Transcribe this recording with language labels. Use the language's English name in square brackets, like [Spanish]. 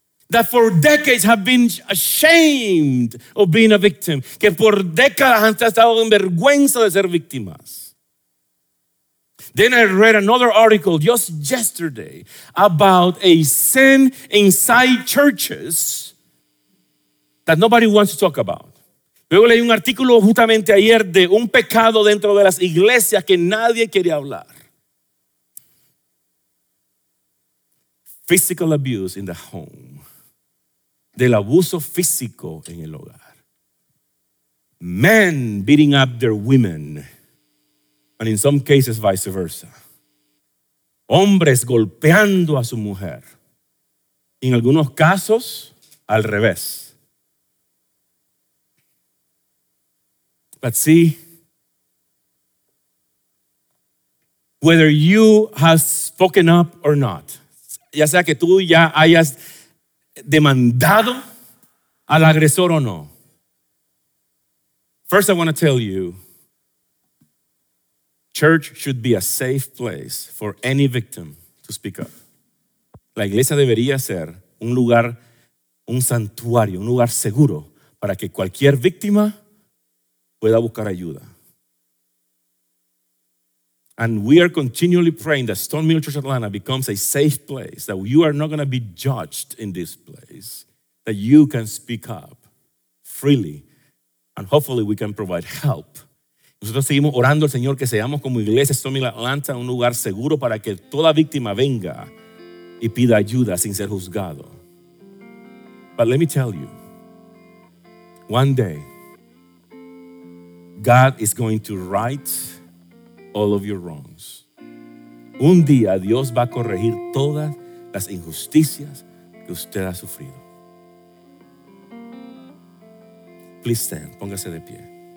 [English] That for decades have been ashamed of being a victim. [Spanish] Que por décadas han estado en vergüenza de ser víctimas. [English] Then I read another article just yesterday about a sin inside churches that nobody wants to talk about. [Spanish] Luego leí un artículo justamente ayer de un pecado dentro de las iglesias que nadie quiere hablar. [English] Physical abuse in the home. [Spanish] Del abuso físico en el hogar. [English] Men beating up their women. And in some cases, vice versa. [Spanish] Hombres golpeando a su mujer. En algunos casos, al revés. [English] But see, whether you have spoken up or not, [Spanish] ya sea que tú ya hayas demandado al agresor o no, [English] first I want to tell you, church should be a safe place for any victim to speak up. [Spanish] La iglesia debería ser un lugar, un santuario, un lugar seguro para que cualquier víctima pueda buscar ayuda. [English] And we are continually praying that Stone Mill Church Atlanta becomes a safe place, that you are not going to be judged in this place, that you can speak up freely, and hopefully we can provide help. [Spanish] Nosotros seguimos orando al Señor que seamos como iglesia Stone Mill Atlanta un lugar seguro para que toda víctima venga y pida ayuda sin ser juzgado. [English] But let me tell you, one day, God is going to right all of your wrongs. [Spanish] Un día Dios va a corregir todas las injusticias que usted ha sufrido. [English] Please stand, [Spanish] póngase de pie.